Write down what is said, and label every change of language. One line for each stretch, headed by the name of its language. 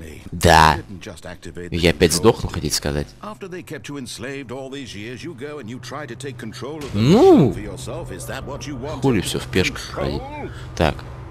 Russian: Да. Я опять сдохну, хотите сказать.
English: After they kept you enslaved all these years, you go and you try to take control of them for yourself. Is that what you want?
Russian: Хули всё в пешках ходить. Так.